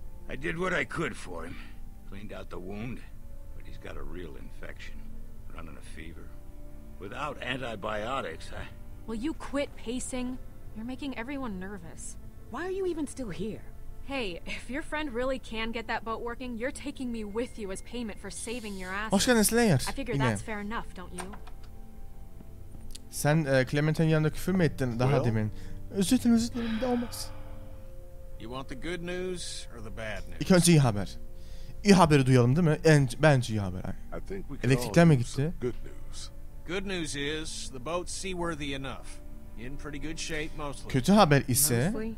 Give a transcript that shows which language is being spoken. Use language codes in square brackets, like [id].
[en] I did what I could for him. Cleaned out the wound. But he's got a real infection. Running a fever. Without antibiotics, I... Will you quit pacing? You're making everyone nervous. Why are you even still here? Hey, if your friend really can get that boat working, you're taking me with you as payment for saving your ass. [tr] Hoş geldin Slayer. [en] I figure that's fair enough, don't you? [tr] Sen Clementine yanında küfür mü ettin daha demin? Özür dilerim, olmaz. [en] You want the good news or the bad news? [tr] İlk önce iyi haber. İyi haberi duyalım değil mi? Bence iyi haber. Elektrikler mi gitti? [en] Good news is the boat's seaworthy enough. In pretty good shape mostly. [tr] Kötü haber ise,